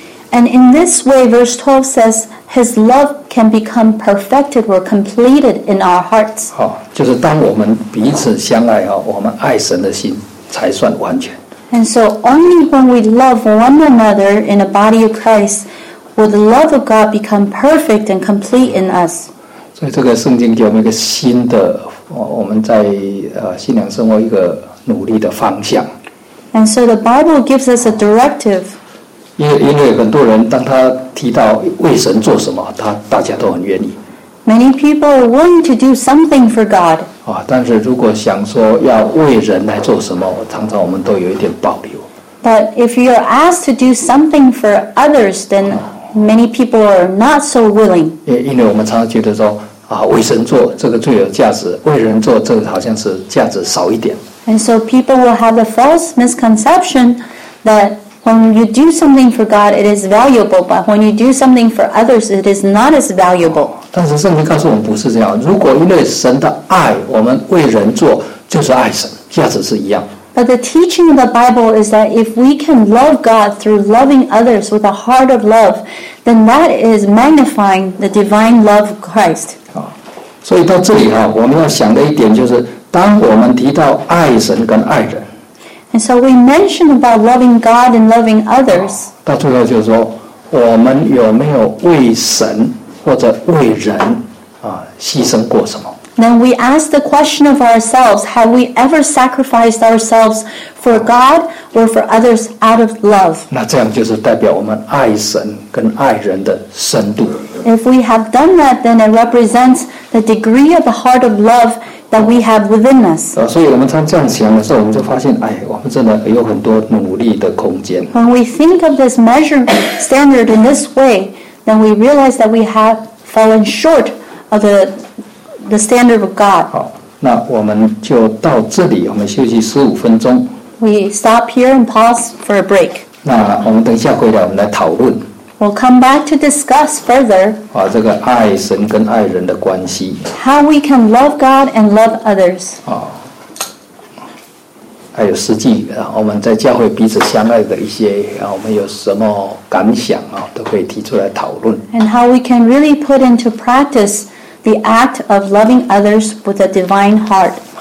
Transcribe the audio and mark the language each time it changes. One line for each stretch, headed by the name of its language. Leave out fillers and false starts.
English: And in this way, verse 12 says, his love can become perfected or completed in our hearts.
Chinese: 就是当我们彼此相爱，我们爱神的心才算完全。
English: And so only when we love one another in the body of Christ will the love of God become perfect and complete in us.
Chinese: 所以这个圣经给我们一个新的，我们在信仰生活一个努力的方向。
English: And so the Bible gives us a directive.
Chinese: 因为很多人当他提到为神做什么，大家都很愿意。
English: Many people are willing to do something for God.
Chinese: 但是如果想说要为人来做什么，常常我们都有一点保留。
English: But if you are asked to do something for others, then many people are not so willing.
Chinese: 因为我们常常觉得说, 为神做这个最有价值，为人做这个好像是价值少一点。
English: And so people will have a false misconception that when you do something for God it is valuable, but when you do something for others it is not as valuable.
Chinese: 但是圣经告诉我们不是这样，如果因为神的爱我们为人做就是爱神，价值是一样。
English: But the teaching of the Bible is that if we can love God through loving others with a heart of love, then that is magnifying the divine love of Christ.
Chinese: 所以到这里啊，我们要想的一点就是，当我们提到爱神跟爱人。
English: And so we mentioned about loving God and loving others.
Chinese: 到最后就是说，我们有没有为神或者为人啊牺牲过什么？
English: Then we ask the question of ourselves, have we ever sacrificed ourselves for God or for others out of love?
Chinese: 那这样就是代表我们爱神跟爱人的深度。
English: If we have done that, then it represents the degree of the heart of love that we have within us.
Chinese: 所以我们常这样想的时候，我们就发现，哎，我们真的有很多努力的空间。
English: When we think of this measure standard in this way, then we realize that we have fallen short of the standard of God.
Chinese: 好，那我们就到这里，我们休息15分钟。
English: We stop here and pause for a break.
Chinese: 那我们等一下回来，我们来讨论。
English: We'll come back to discuss further.
Chinese: 啊，这个爱神跟爱人的关系。
English: How we can love God and love others.
Chinese: 啊，还有实际啊，我们在教会彼此相爱的一些啊，我们有什么感想啊，都可以提出来讨论。
English: And how we can really put into practice. The act of loving others with a divine heart.